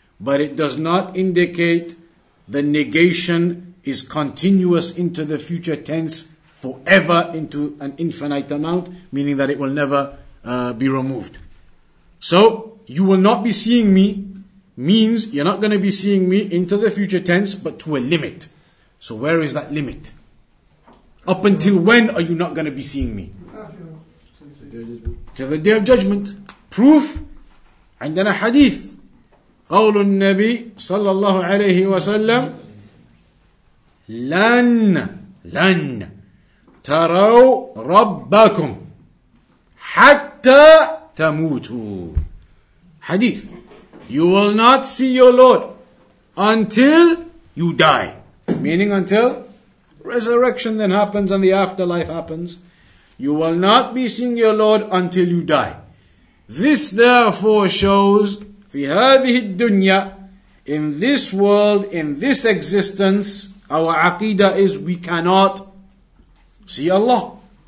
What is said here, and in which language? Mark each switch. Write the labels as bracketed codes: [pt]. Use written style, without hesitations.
[en] But it does not indicate the negation is continuous into the future tense forever into an infinite amount, meaning that it will never be removed. So, you will not be seeing me means you're not going to be seeing me into the future tense, but to a limit. So where is that limit? Up until when are you not going to be seeing me? To the Day of Judgment. Proof? [ar] عندنا حديث قول النبي صلى الله عليه وسلم لن تروا ربكم حتى تموتوا. [en] Hadith. You will not see your Lord until you die. Meaning until resurrection then happens and the afterlife happens. You will not be seeing your Lord until you die. This therefore shows [ar] في هذه الدنيا, [en] in this world, in this existence, our aqidah is we cannot see Allah.